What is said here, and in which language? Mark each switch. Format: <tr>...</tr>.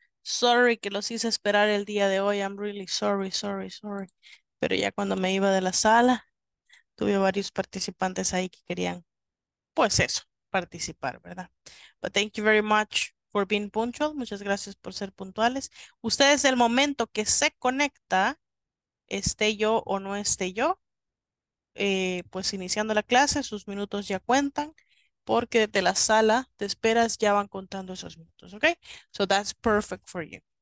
<es>Sorry que los hice esperar el día de hoy.</es> <en>I'm really sorry, sorry, sorry.</en> <es>Pero ya cuando me iba de la sala, tuve varios participantes ahí que querían, pues eso, participar, ¿verdad?</es> <en>But thank you very much for being punctual.</en> <es>Muchas gracias por ser puntuales. Ustedes, el momento que se conecta, esté yo o no esté yo, pues iniciando la clase, sus minutos ya cuentan. Porque desde la sala de esperas ya van contando esos minutos, ¿ok?</es> <en>So that's perfect for you.</en>